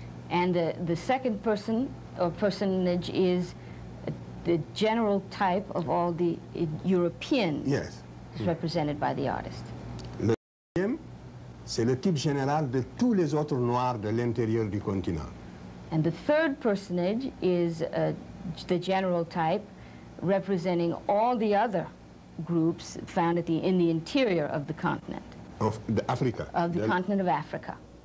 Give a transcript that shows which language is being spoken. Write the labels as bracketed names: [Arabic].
[English] And the second person or personage is the general type of all the Europeans. Yes. Represented by the artist. [French] Le deuxième, c'est le type général de tous les autres noirs de l'intérieur du continent. [English] And the third personage is the general type representing all the other groups found in the interior of the continent. Of the Africa. Of the continent of Africa.